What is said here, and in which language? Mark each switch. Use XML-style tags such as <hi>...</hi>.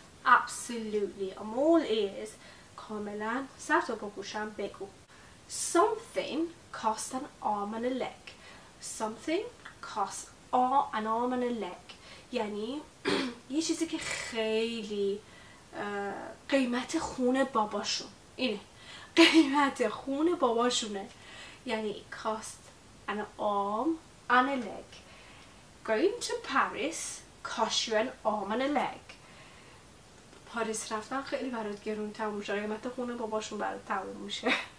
<en>Absolutely. I'm all ears</en> <fa>کاملا سر تا پا گوشم، بگو.</fa> <en>Something costs an arm and a leg. Something costs an arm and a leg.</en> <fa>یعنی یه چیزی که خیلی قیمت خون باباشون اینه. قیمت خون باباشونه.</fa> <en>یعنی cost an arm and a leg. Going to Paris costs you an arm and a leg.</en> <fa>پاریس رفتن خیلی برات گرون تموم شد. قیمت خون باباشون برات تموم میشه.</fa>